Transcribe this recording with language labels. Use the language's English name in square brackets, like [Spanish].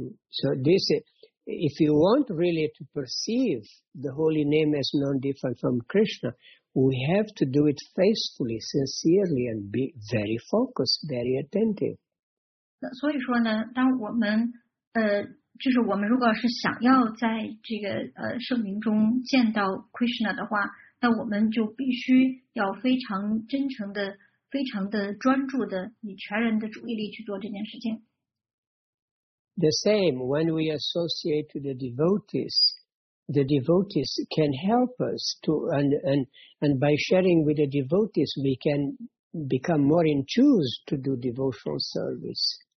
[English] So this is, if you want really to perceive the holy name as non-different from Krishna, we have to do it faithfully, sincerely, and be very focused, very attentive. [Chinese] 所以说呢，当我们就是我们如果是想要在这个圣名中见到 Krishna 的话，那我们就必须要非常真诚的、非常的专注的，以全人的注意力去做这件事情。 [English] The same, when we associate with the devotees can help us to, and by sharing with the devotees, we can become more in tune to do devotional service.